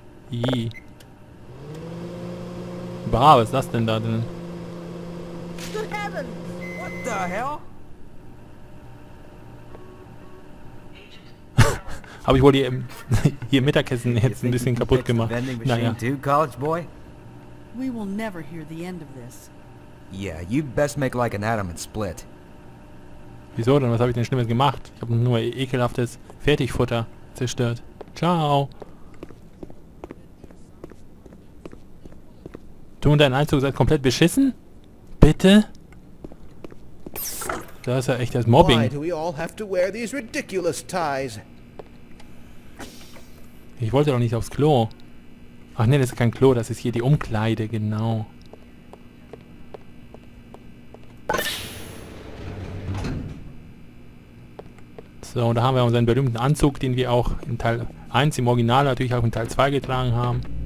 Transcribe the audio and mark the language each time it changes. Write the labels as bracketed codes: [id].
[de] Yee. Bah, was ist das denn da drin? [en] Good heavens! What the hell? [de] Aber ich wollte hier Mittagessen jetzt ein bisschen kaputt gemacht. Naja. [en] We will never hear the end of this. Yeah, you best make like an atom and split. [de] Wieso denn? Was habe ich denn Schlimmes gemacht? Ich habe nur ekelhaftes Fertigfutter zerstört. Ciao. Du und dein Anzug seid komplett beschissen? Bitte? Das ist ja echt das Mobbing. [en] Why do we all have to wear these ridiculous ties? [de] Ich wollte doch nicht aufs Klo. Ach ne, das ist kein Klo, das ist hier die Umkleide, genau. So, da haben wir unseren berühmten Anzug, den wir auch in Teil 1 im Original natürlich auch in Teil 2 getragen haben.